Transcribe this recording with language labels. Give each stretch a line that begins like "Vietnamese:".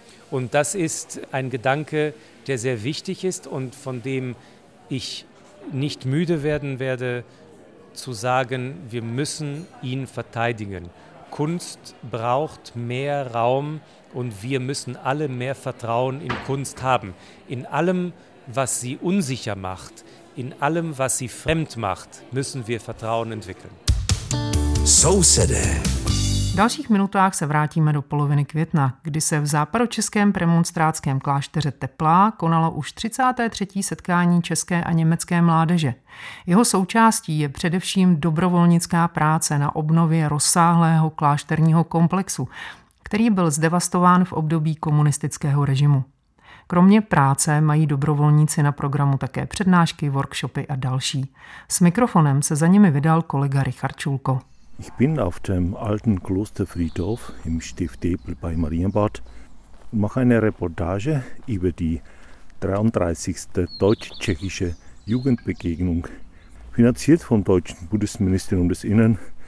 German: Und das ist ein Gedanke, der sehr wichtig ist und von dem ich nicht müde werden werde, zu sagen, wir müssen ihn verteidigen. Kunst braucht mehr Raum und wir müssen alle mehr Vertrauen in Kunst haben. In allem, was sie unsicher macht, in allem, was sie fremd macht, müssen wir Vertrauen entwickeln.
Czech: Sousedé. V dalších minutách se vrátíme do poloviny května, kdy se v západočeském premonstrátském klášteře Teplá konalo už 33. setkání české a německé mládeže. Jeho součástí je především dobrovolnická práce na obnově rozsáhlého klášterního komplexu, který byl zdevastován v období komunistického režimu. Kromě práce mají dobrovolníci na programu také přednášky, workshopy a další. S mikrofonem se za nimi vydal kolega Richard Čulko.
German: Ich bin auf dem alten Klosterfriedhof im Stift Epl bei Marienbad und mache eine Reportage über die 33. deutsch-tschechische Jugendbegegnung. Finanziert vom deutschen Bundesministerium des Innern.